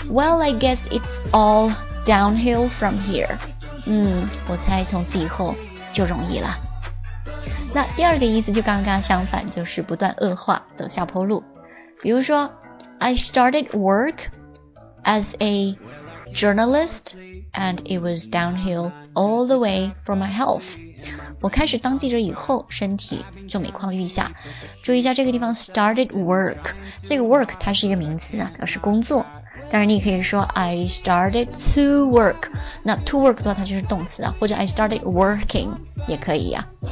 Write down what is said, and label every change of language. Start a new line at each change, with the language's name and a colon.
English: Well, I guess it's all downhill from here。
Chinese: 我猜从此以后就容易了。那第二个意思就刚刚相反，就是不断恶化，走下坡路。比如说
English: I started work as a journalist and it was downhillall the way for my health。
Chinese: 我开始当记者以后身体就每况愈下。注意一下这个地方
English: started work，
Chinese: 这个 work 它是一个名词啊，表示工作，当然你可以说
English: I started to work，
Chinese: 那
English: to work
Chinese: 的话它就是动词啊，或者
English: I started working
Chinese: 也可以啊。